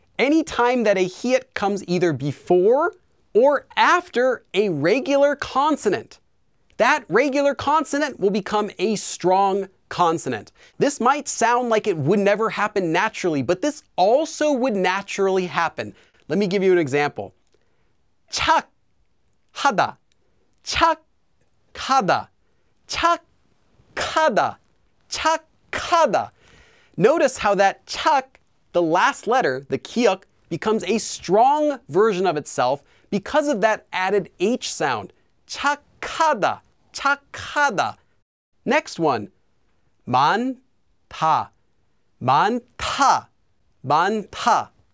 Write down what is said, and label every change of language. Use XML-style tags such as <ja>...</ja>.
<en>Any time that a hyeot comes either before or after a regular consonant, that regular consonant will become a strong consonant. This might sound like it would never happen naturally, but this also would naturally happen. Let me give you an example.</en> <ko>착하다, 착하다, 착하다, 착하다.</ko> <en>Notice how that chuk, the last letter, the kyuk, becomes a strong version of itself because of that added H sound.</en> <ko>Chakada, chakada.</ko> <en>Next one.</en> <ko>Man ta, man ta, man ta.</ko>